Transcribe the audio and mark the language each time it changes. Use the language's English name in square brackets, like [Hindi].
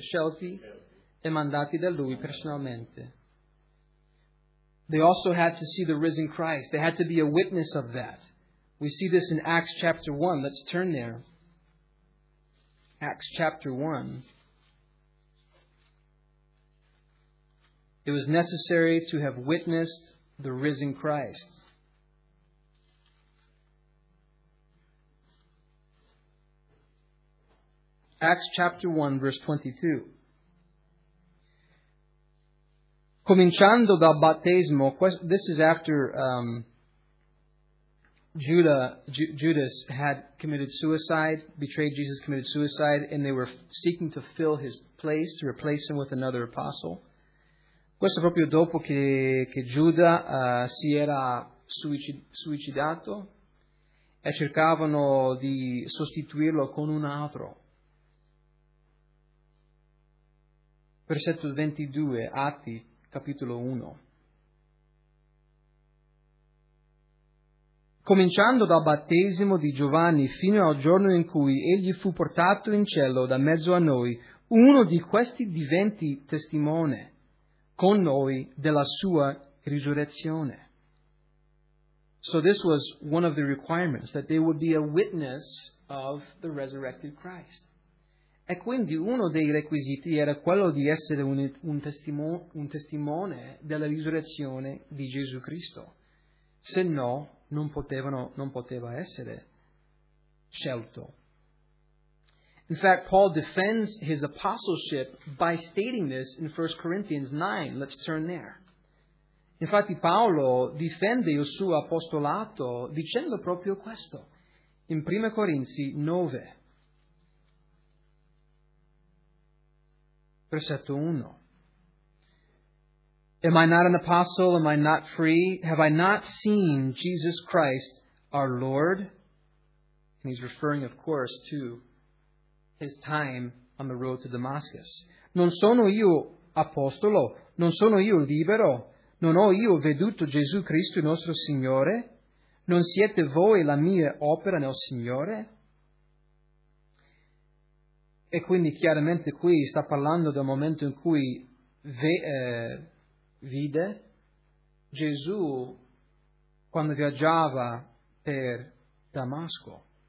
[Italian] Scelti e mandati da Lui personalmente. [English] They also had to see the risen Christ. They had to be a witness of that. We see this in Acts chapter 1. Let's turn there. Acts chapter 1, it was necessary to have witnessed the risen Christ. Acts Acts chapter 1, verse 22. [Italian] Cominciando dal battesimo, [English] this is after Judas had committed suicide, betrayed Jesus, committed suicide, and they were seeking to fill his place, to replace him with another apostle. [Italian] Questo proprio dopo che Giuda si era suicidato e cercavano di sostituirlo con un altro. Versetto 22, Atti, capitolo 1. Cominciando dal battesimo di Giovanni fino al giorno in cui egli fu portato in cielo da mezzo a noi, uno di questi diventi testimone con noi della sua risurrezione. [English] So this was one of the requirements, that they would be a witness of the resurrected Christ. [Italian] E quindi uno dei requisiti era quello di essere un testimone della risurrezione di Gesù Cristo. Se no, non poteva essere scelto. [English] In fact, Paul defends his apostleship by stating this in 1 Corinthians 9. Let's turn there. [Italian] Infatti, Paolo difende il suo apostolato dicendo proprio questo, in 1 Corinzi 9, versetto 1. [English] Am I not an apostle? Am I not free? Have I not seen Jesus Christ, our Lord? And he's referring, of course, to his time on the road to Damascus. [Italian] Non sono io apostolo? Non sono io libero? Non ho io veduto Gesù Cristo, il nostro Signore? Non siete voi la mia opera nel Signore? E quindi chiaramente qui sta parlando del momento in cui vide Gesù quando viaggiava per Damasco.